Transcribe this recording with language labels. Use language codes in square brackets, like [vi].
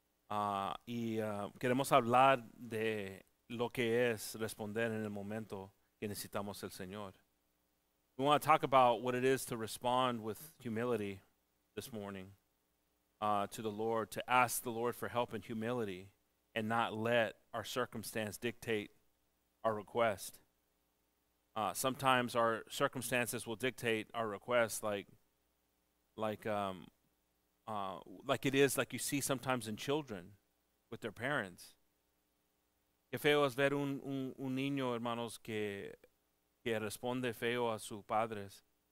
[es] Queremos hablar de lo que es responder en el momento que necesitamos el Señor. [en] We want to talk about what it is to respond with humility this morning to the Lord, to ask the Lord for help in humility and not let our circumstance dictate our request. Sometimes our circumstances will dictate our request like you see sometimes in children with their parents. [es] Qué feo es ver un niño, hermanos, que responde feo a sus padres.